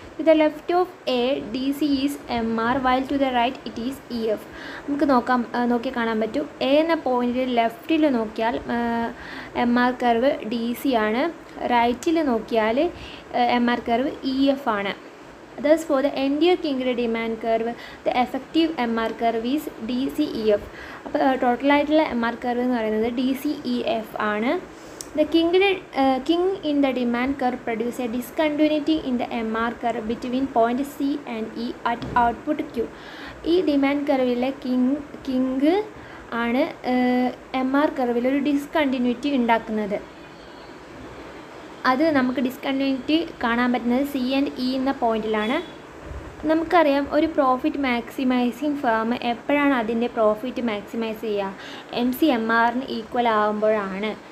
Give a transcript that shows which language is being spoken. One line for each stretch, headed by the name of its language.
English: To the left of A D C is M R, while to the right it is E F.
Malayalam: നമുക്ക് നോക്കി കാണാൻ പറ്റും. A എന്ന പോയിൻറ്റിൽ ലെഫ്റ്റിൽ നോക്കിയാൽ M R curve D C ആണ്, റൈറ്റിൽ നോക്കിയാൽ M R curve E F ആണ്.
English: Thus, for the entire Kinked demand curve, the effective MR curve is DCEF.
Malayalam: അപ്പോൾ ടോട്ടലായിട്ടുള്ള എം ആർ കർവ് എന്ന് പറയുന്നത് DCEF ആണ്.
English: The king in the demand curve produces a discontinuity in the MR curve between point C and E at output Q.
Malayalam: ഈ demand കർവിലെ king ആണ് MR കർവിൽ ഒരു discontinuity ഉണ്ടാക്കുന്നത്. അത് നമുക്ക് ഡിസ്കണ്ടിന്യൂറ്റി കാണാൻ പറ്റുന്നത് സി ആൻഡ് ഇ എന്ന പോയിന്റിലാണ്. നമുക്കറിയാം ഒരു പ്രോഫിറ്റ് മാക്സിമൈസിങ് ഫേം എപ്പോഴാണ് അതിൻ്റെ പ്രോഫിറ്റ് മാക്സിമൈസ് ചെയ്യുക, എം സി എം ആറിന് ഈക്വൽ ആകുമ്പോഴാണ്.